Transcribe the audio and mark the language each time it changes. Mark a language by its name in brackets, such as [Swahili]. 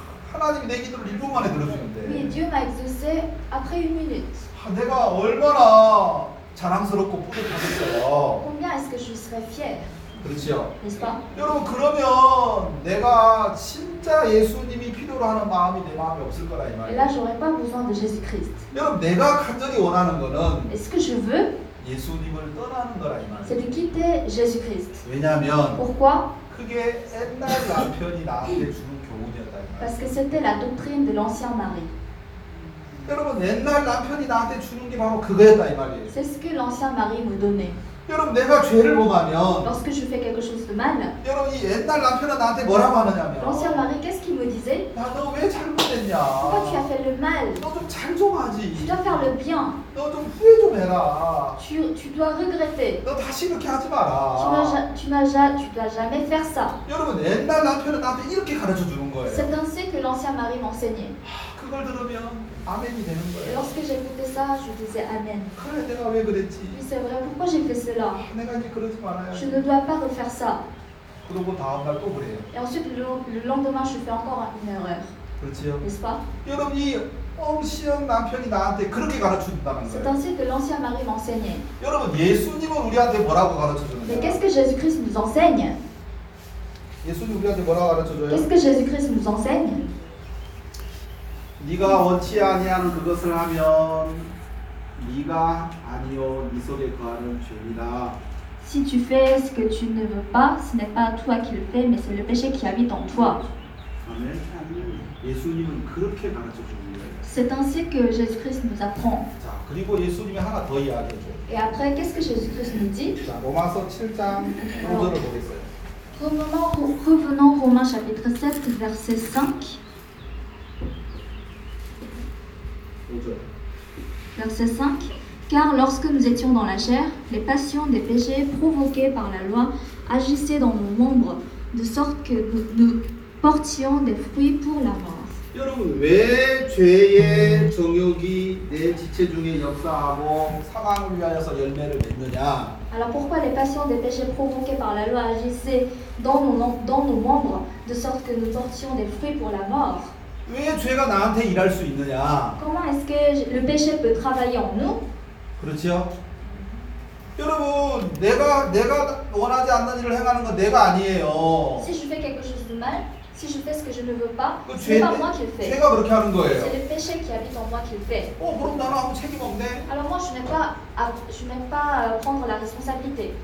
[Korean] 하나님 내 기도를 1분 만에 들어주는데. [French] Mais Dieu m'a exaucé après une minute. [Korean] 아, 내가 얼마나 자랑스럽고 뿌듯하겠어요. [French] Combien est-ce que je serais fier? [Korean] 그렇죠. [French] N'est-ce pas? [Korean] 여러분 그러면 내가 진짜 예수님이 필요로 하는 마음이 내 마음에 없을 거라 이 말이에요. [French] Et là, j'aurais pas besoin de Jésus-Christ. [Korean] 여러분 내가 간절히 원하는 거는 [French] Est-ce que je veux? [Korean] 예수님을 떠나는 거라 이 말이에요. [French] C'est de quitter Jésus-Christ. [Korean] 왜냐하면 [French] Pourquoi? [Korean] 그게 옛날 남편이 나한테 주는 교훈이었다. [French] Parce que c'était la doctrine de l'ancien mari. [Korean] 여러분 옛날 남편이 나한테 주는 게 바로 그거였다 이 말이에요. [French] C'est ce que l'ancien mari me donnait. [Korean] 여러분 내가 죄를 범하면 [French] Lorsque je fais quelque chose de mal. [Korean] 여러분 이 옛날 남편은 나한테 뭐라고 하느냐면 [French] L'ancien mari, qu'est-ce qu'il me disait? [Korean] 나 너 왜 잘못했냐? [French] Pourquoi tu as fait le mal? [Korean] 너 좀 잘 좀 하지. [French] Tu dois faire le bien. [Korean] 너 좀 후회 좀 해라. [French] Tu dois regretter. [Korean] 너 다시 이렇게 하지 마라. [French] Tu dois jamais faire ça. [Korean] 여러분 옛날 남편은 나한테 이렇게 가르쳐 주는 거예요. [French] C'est ainsi que l'ancien mari m'enseignait. [Korean] 그걸 들으면 아멘이 되는 거예요. [French] Lorsque j'écoutais ça, je disais amen. [Korean] 그래, 내가 왜 그랬지? [French] Oui, c'est vrai. Pourquoi j'ai fait cela? [Korean] 내가 이제 그러지 말아야. [French] Je ne dois pas refaire ça. [Korean] 그러고 다음 날 또 그래요. [French] Et ensuite, le lendemain, je fais encore une erreur. [Korean] 그렇지요. [French] N'est-ce pas? [Korean] 여러분 이 엉시형 남편이 나한테 그렇게 가르쳐준다는 거예요. [French] C'est ainsi que l'ancien mari m'enseignait. [Korean] 여러분 예수님은 우리한테 뭐라고 가르쳐주는 거예요? [French] Mais qu'est-ce que Jésus-Christ nous enseigne? [Korean] 예수님 우리한테 뭐라고 가르쳐줘요? [French] Qu'est-ce que Jésus-Christ nous enseigne? [Korean] 네가 원치 아니한 그것을 하면 네가 아니요 네 속에 거하는 죄니라. [French] Si tu fais ce que tu ne veux pas, ce n'est pas toi qui le fais, mais c'est le péché qui habite en toi. [Korean] 아멘. 예수님은 그렇게 가르쳐 줍니다. [French] C'est ainsi que Jésus-Christ nous apprend. [Korean] 자, 그리고 예수님이 하나 더 이야기해 줘. [French] Et après, qu'est-ce que Jésus-Christ nous dit? [Korean] 자, 로마서 7장 5절을 보겠어요. [French] Revenons Romains chapitre 7 verset 5. Verset 5. Car lorsque nous étions dans la chair, les passions des péchés provoquées par la loi agissaient dans nos membres, de sorte que nous portions des fruits pour la mort. [Korean] 여러분, 왜 죄의 정욕이 내 지체 중에 역사하고 사망을 위하여서 열매를 맺느냐? [French] Alors pourquoi les passions des péchés provoquées par la loi agissaient dans nos membres, de sorte que nous portions des fruits pour la mort? [Korean] 왜 죄가 나한테 일할 수 있느냐? [French] Comment est-ce que le péché peut travailler en nous? [Korean] 그렇죠? 여러분, 내가 원하지 않는 일을 행하는 건 내가 아니에요. [French] Si je fais quelque chose de mal, si je fais ce que je ne veux pas, ce n'est pas moi qui le fais. C'est le péché qui habite en moi qui le fait. Alors moi, je n'aime pas prendre la responsabilité.